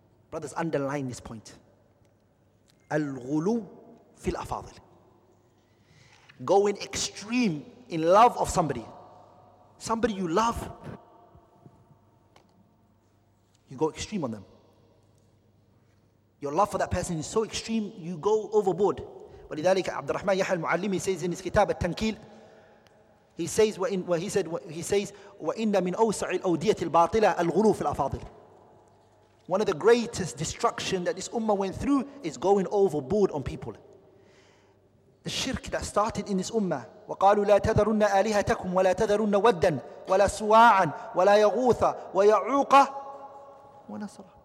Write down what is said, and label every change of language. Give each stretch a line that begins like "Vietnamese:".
English: Brothers, underline this point. Al-ghulu fil afadil. Going extreme in love of somebody. Somebody you love, you go extreme on them. Your love for that person is so extreme, you go overboard.
Arabic: ولذلك عبد الرحمن يحيى المعلمي
English: says in his kitab
Arabic: التنكيل,
English: he says
Arabic: وإن من أوسع الأودية الباطلة الغلو في الأفاضل.
English: One of the greatest destruction that this ummah went through is going overboard on people. The shirk that started in this ummah.
Arabic: وقالوا لا تذرن آلهتكم ولا تذرن ودا ولا سواعا ولا يغوث ويعوق ونصر.